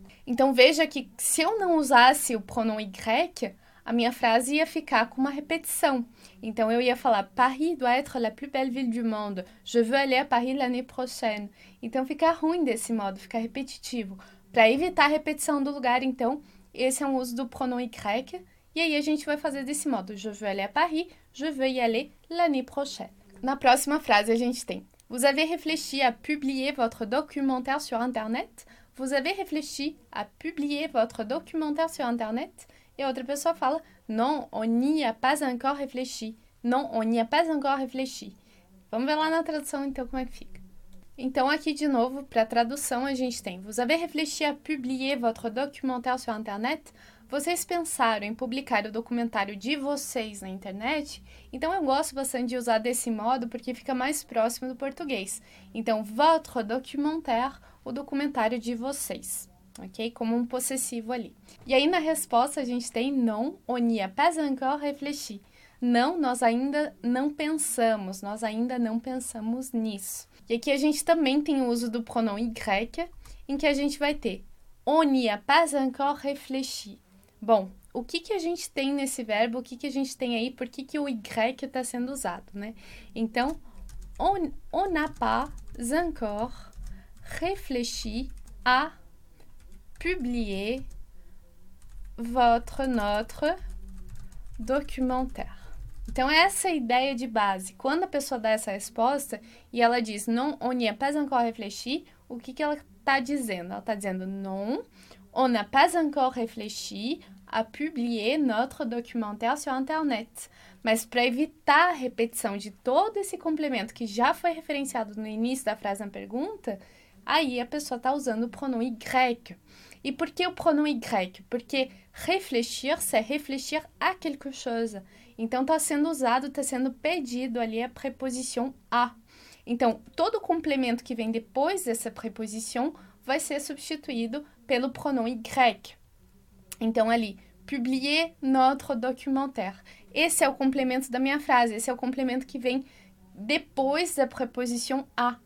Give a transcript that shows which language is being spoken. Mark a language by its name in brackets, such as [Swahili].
[Portuguese] Então, veja que se eu não usasse o pronom Y, a minha frase ia ficar com uma repetição. Então, eu ia falar [French] Paris doit être la plus belle ville du monde. Je veux aller à Paris l'année prochaine. [Portuguese] Então, fica ruim desse modo, fica repetitivo. Para evitar a repetição do lugar, então, esse é um uso do pronom Y. E aí, a gente vai fazer desse modo. [French] Je veux aller à Paris, je veux y aller l'année prochaine. [Portuguese] Na próxima frase, a gente tem [French] Vous avez réfléchi à publier votre documentaire sur Internet? Vous avez réfléchi à publier votre documentaire sur Internet? Et autre [Portuguese] pessoa fala, [French] Non, on n'y a pas encore réfléchi. Non, on n'y a pas encore réfléchi. [Portuguese] Vamos ver lá na tradução então como é que fica. Então, aqui de novo, para a tradução, a gente tem [French] Vous avez réfléchi à publier votre documentaire sur Internet? [Portuguese] Vocês pensaram em publicar o documentário de vocês na internet? Então eu gosto bastante de usar desse modo porque fica mais próximo do português. Então, [French] votre documentaire, [Portuguese] o documentário de vocês, ok? Como um possessivo ali. E aí na resposta a gente tem [French] non, on n'y a pas encore réfléchi. [Portuguese] Não, nós ainda não pensamos, nós ainda não pensamos nisso. E aqui a gente também tem o uso do pronom Y, em que a gente vai ter [French] on n'y a pas encore réfléchi. [Portuguese] Bom, o que que a gente tem nesse verbo? O que que a gente tem aí? Por que que o Y está sendo usado, né? Então, [French] on n'a pas encore réfléchi à publier votre notre documentaire. [Portuguese] Então, essa é a ideia de base. Quando a pessoa dá essa resposta e ela diz [French] non, on n'y a pas encore réfléchi, [Portuguese] o que que ela está dizendo? Ela está dizendo non. [French] on n'a pas encore réfléchi à publier notre documentaire sur Internet. [Portuguese] Mas para evitar a repetição de todo esse complemento que já foi referenciado no início da frase em pergunta, aí a pessoa está usando o pronome grec. E por que o pronome grec? Porque refletir, [French] c'est refletir à quelque chose. [Portuguese] Então, está sendo usado, está sendo pedido ali a preposição a. Então, todo complemento que vem depois dessa preposição vai ser substituído pelo pronome grec. Então, ali, [French] publier notre documentaire. [Portuguese] Esse é o complemento da minha frase, esse é o complemento que vem depois da preposição a.